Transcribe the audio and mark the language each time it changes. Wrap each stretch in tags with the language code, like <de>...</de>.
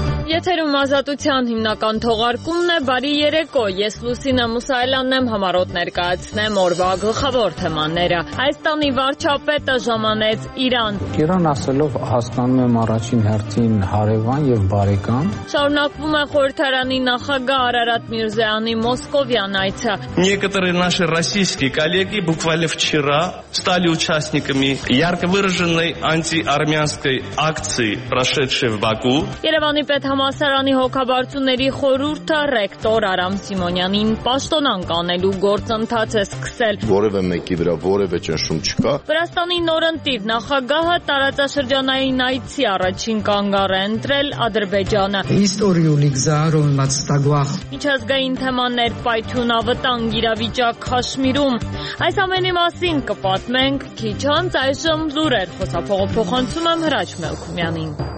<hy>Եթերում ազատության հիմնական թողարկումն է, բարի երեկո, ես Լուսինե Մուսայելյանն եմ, համարոտ ներկայացնեմ օրվա գլխավոր թեմաները։ Հայաստանի վարչապետը ժամանեց Իրան։ Իրան ասելով հաստատում եմ առաջին հերթին հարևան եւ բարեկամ։ Շարունակվում է խորհրդարանի նախագահ Արարատ Միրզոյանի մոսկովյան այցը։</hy> <ru>Некоторые наши российские коллеги буквально вчера стали участниками ярко выраженной антиармянской акции, прошедшей в Баку։</ru> <hy>Երևանի Համասարանի հոգաբարձուների խորհուրդը ռեկտոր Արամ Սիմոնյանին պաշտոնան կանելու գործընթաց է սկսել։ Որևէ մեկի վրա որևէ ճնշում չկա։ Վրաստանի նորընտիր նախագահը տարածաշրջանային այցի առաջին կանգ առ ընտրել Ադրբեջանը։ Միջազգային թեմաներ՝ պայթյուն ավտանգ իրավիճակ Քաշմիրում։ Այս ամենի մասին կպատմենք քիչ անց, այժմ լուրեր խոսափողը փոխանցում եմ Հրաչ Մելքումյանին։</hy>